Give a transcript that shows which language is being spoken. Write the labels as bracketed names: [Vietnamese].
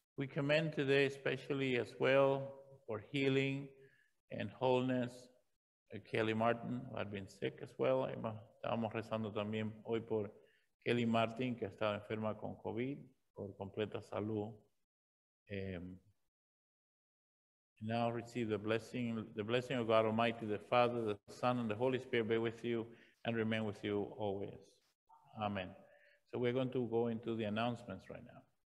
[English] Commend today especially as well for healing and wholeness Kelly Martin, who had been sick as well. [Spanish] Estábamos rezando también hoy por Kelly Martin, que estaba enferma con COVID, por completa salud. [English] Now receive the blessing of God Almighty, the Father, the Son, and the Holy Spirit be with you and remain with you always. Amen. So we're going to go into the announcements right now.